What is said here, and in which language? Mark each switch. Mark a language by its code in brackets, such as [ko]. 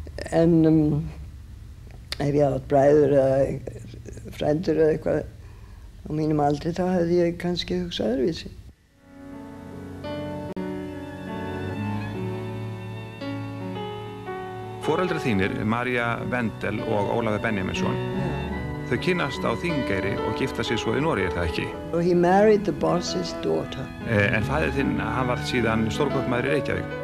[is] En ef ég átt bræður eða frændur eða eitthvað á mínum aldri, þá hefði ég kannski hugsað öðruvísi. Foreldrar þínir, María Wendel og Ólafur Benjaminsson, þau kynnast á Þingeyri og gifta sig svo í Noregi, er það ekki? Og [en] he married the boss's daughter. [is] En faðir þinn, hann varð síðan stórkaupmaður í Reykjavík.